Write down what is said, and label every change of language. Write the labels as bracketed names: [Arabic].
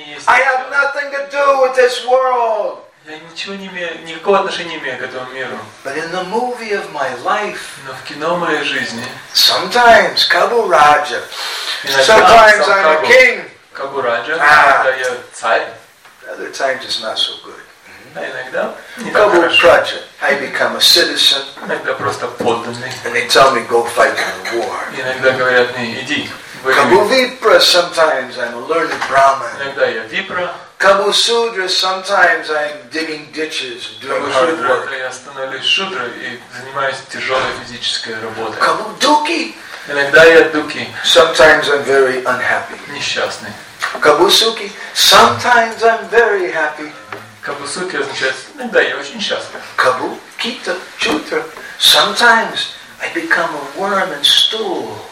[English] I have nothing to do with this world. [Russian] Я ничего не имею, никакого отношения не имею к этому миру. [English] But in the movie of my life. [Russian] Но в кино моей жизни. [English] Sometimes [Bangla] Kabu Raja. [English] Sometimes I'm a king. [Bangla] Kabu Raja. [Russian] Иногда я царь. [English] Other times it's not so good. [Russian] Иногда. [Bangla] Kabu Raja. [English] I become a citizen. [Russian] Иногда просто подданный. [English] And they tell me go fight in the war. [Russian] Иногда говорят мне иди. [Bangla] Kabu Vipra, [English] sometimes I'm a learned Brahmin. [Russian] Иногда я Випра. [Bangla] Kabu Sudra, [English] sometimes I'm digging ditches, doing hard work. [Bangla] Kabu Sudra, [Russian] я становлюсь Шудра и занимаюсь тяжелой физической работой. [Bangla] Kabu Duki. [Russian] Иногда я Дуки. [English] Sometimes I'm very unhappy. [Russian] Несчастный. [Bangla] Kabu Suki. [English] Sometimes I'm very happy. [Bangla] Kabu Suki [Russian] означает, иногда я очень счастлив. [Bangla] Kabu Kita Chutra. [English] Sometimes I become a worm and stool.